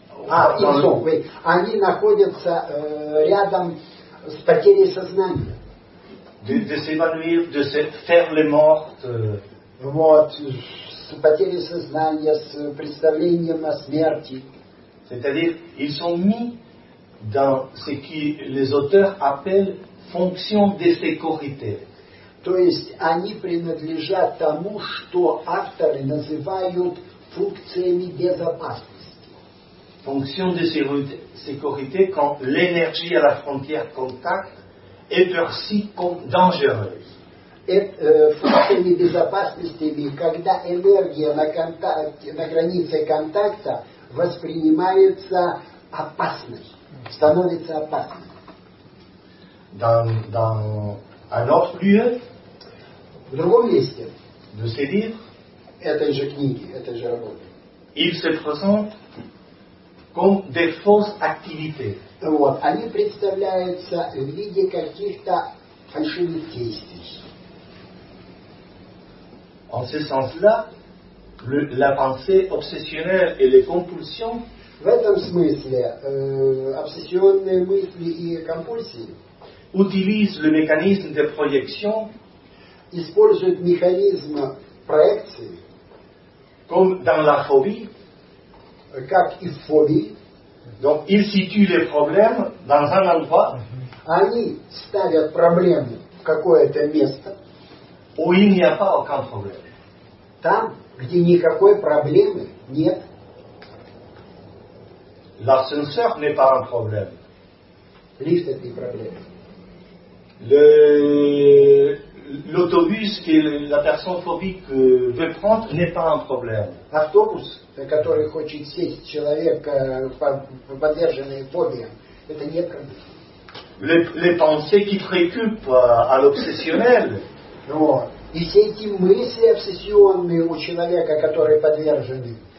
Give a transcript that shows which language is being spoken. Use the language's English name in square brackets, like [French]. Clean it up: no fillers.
[Russian] Они они находятся рядом с потерей сознания. [French] De s'évanouir, de se faire les mortes. [Russian] Вот, с потерей сознания, с представлением о смерти. [French] C'est-à-dire, ils sont mis dans ce que les auteurs appellent fonction de sécurité. [Russian] То есть они принадлежат тому, что авторы называют функциями безопасности. [French] Fonction de sécurité, quand l'énergie à la frontière contact est perçue comme dangereuse. [Russian] Функциями безопасности, когда энергия на контакте, на границе контакта воспринимается опасной, становится опасной. [French] Dans un autre lieu, [Russian] в другом месте, [French] de ce livre, [Russian] этой же книги, этой же работы, [French] il se présente comme des fausses activités. [Russian] Вот, они представляются в виде каких-то фальшивых действий. [French] En ce sens-là, la pensée obsessionnelle et les compulsions. [Russian] В этом смысле, обсессионные мысли и компульсии. [French] Utilisent le mécanisme de projection. [Russian] Используют механизм проекции. [French] Comme dans la phobie. [Russian] Как и в фобии. [French] Donc, ils situent les problèmes dans un endroit. [Russian] Они ставят проблемы в какое-то место. [French] Où il n'y a pas aucun problème. [Russian] Там, где никакой проблемы нет. [French] L'ascenseur n'est pas un problème. [Russian] Лифт это не проблема. [French] L'autobus que la personne phobique veut prendre n'est pas un problème. [Russian] Автобус, который хочет сесть человек, подверженный фобиям, это не проблема. [French] Les pensées qui préoccupent à l'obsessionnel. [Russian] Вот. И все эти мысли обсессионные у человека, который подвержен,